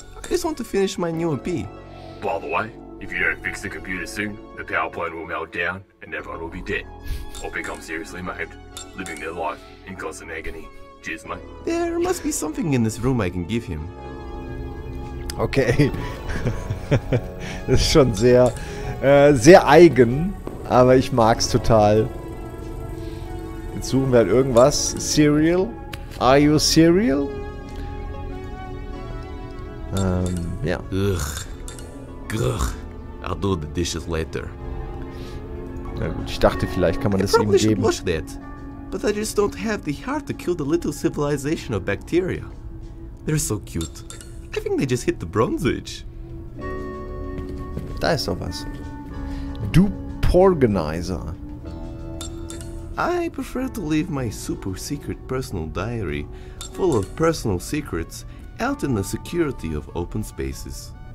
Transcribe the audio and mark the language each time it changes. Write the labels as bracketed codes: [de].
[en] I just want to finish my new EP. By the way, if you don't fix the computer soon, the PowerPoint will melt down and everyone will be dead. Or become seriously maimed, living their life in constant agony. Cheers, mate. There must be something in this room I can give him. Okay. [de] Das ist schon sehr, sehr eigen, aber ich mag's total. Jetzt suchen wir halt irgendwas. [en] Cereal? Are you cereal? [de] Ja. [en] Ugh. Grrrr. I'll do the dishes later. [de] Na gut, ich dachte, vielleicht kann man das ihm geben. [en] Wash that, but I just don't have the heart to kill the little civilization of bacteria. They're so cute. I think they just hit the Bronze Age. [de] Da ist doch was. Du Porganizer. [en] I prefer to leave my super secret personal diary full of personal secrets out in the security of open spaces.